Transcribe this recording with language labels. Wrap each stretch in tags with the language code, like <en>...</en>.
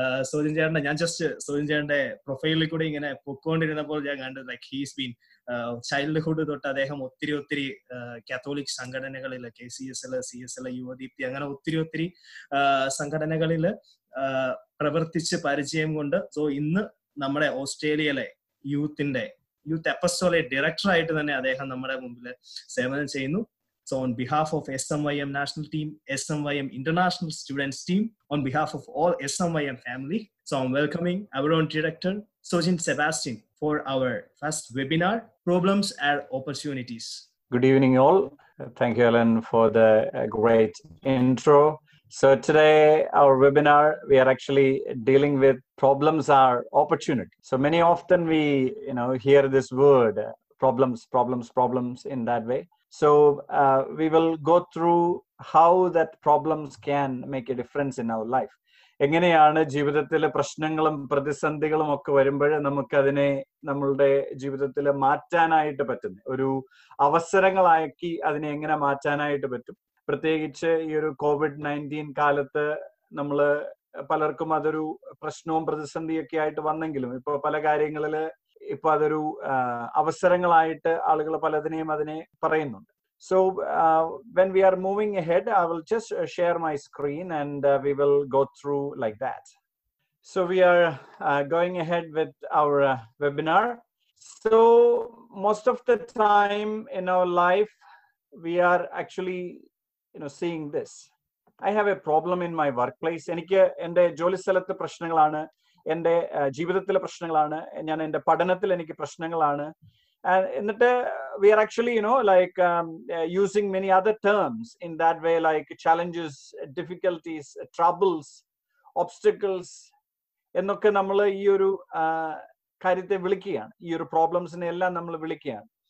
<ml>സോജിൻ ചേട്ടനെ ഞാൻ ജസ്റ്റ് സോജിൻ ചേട്ടന്റെ പ്രൊഫൈലിൽ കൂടി ഇങ്ങനെ പൊക്കോണ്ടിരുന്നപ്പോൾ ഞാൻ കണ്ടു,</ml> <en>like he's been childhood</en> <ml>തൊട്ട് അദ്ദേഹം ഒത്തിരി ഒത്തിരി കാത്തോളിക് സംഘടനകളിൽ, K C S L, C S L, Yuvadeepthi, അങ്ങനെ ഒത്തിരി ഒത്തിരി സംഘടനകളിൽ പ്രവർത്തിച്ച് പരിചയം കൊണ്ട്. സോ ഇന്ന് നമ്മുടെ ഓസ്ട്രേലിയയിലെ യൂത്തിന്റെ, യൂത്ത് അപ്പസ്തോലിക് ഡയറക്ടർ ആയിട്ട് തന്നെ അദ്ദേഹം നമ്മുടെ മുമ്പിൽ സേവനം ചെയ്യുന്നു.</ml> <en>So on behalf of SMYM national team, SMYM international students team, on behalf of all SMYM family, so I'm welcoming our own director, Sojin Sebastian, for our first webinar, Problems and Opportunities. Good evening all. Thank you, Alan, for the great intro. So today, our webinar, we are actually dealing with problems are opportunity. So many often we, you know, hear this word, problems in that way. So we will go through how that problems can make a difference in our life.</en> <ml>എങ്ങനെയാണ് ജീവിതത്തിലെ പ്രശ്നങ്ങളും പ്രതിസന്ധികളും ഒക്കെ വരുമ്പോൾ നമുക്ക് അതിനെ നമ്മളുടെ ജീവിതത്തിൽ മാറ്റാനായിട്ട് പറ്റുന്നത്, ഒരു അവസരങ്ങളാക്കി അതിനെ എങ്ങനെ മാറ്റാനായിട്ട് പറ്റും. പ്രത്യേകിച്ച് ഈ ഒരു COVID-19 കാലത്ത് നമ്മള് പലർക്കും അതൊരു പ്രശ്നവും പ്രതിസന്ധിയൊക്കെ ആയിട്ട് വന്നെങ്കിലും ഇപ്പൊ പല കാര്യങ്ങളില് ഇപ്പൊ അതൊരു അവസരങ്ങളായിട്ട് ആളുകൾ പലതിനെയും അതിനെ പറയുന്നുണ്ട്.</ml> <en>So when we are moving ahead, I will just share my screen and we will go through like that. So we are going ahead with our webinar. So most of the time in our life, we are actually, you know, seeing this. I have a problem in my workplace.</en> <ml>എനിക്ക് എന്റെ ജോലി സ്ഥലത്ത് പ്രശ്നങ്ങളാണ്, എന്റെ ജീവിതത്തിലെ പ്രശ്നങ്ങളാണ്, ഞാൻ എന്റെ പഠനത്തിൽ എനിക്ക് പ്രശ്നങ്ങളാണ്. എന്നിട്ട്</ml> <en>we are actually, you know, like using many other terms in that way, like challenges, difficulties, troubles, obstacles</en> <ml>എന്നൊക്കെ നമ്മൾ ഈ ഒരു കാര്യത്തെ വിളിക്കുകയാണ്, ഈ ഒരു പ്രോബ്ലംസിനെ എല്ലാം നമ്മൾ വിളിക്കുകയാണ്.</ml>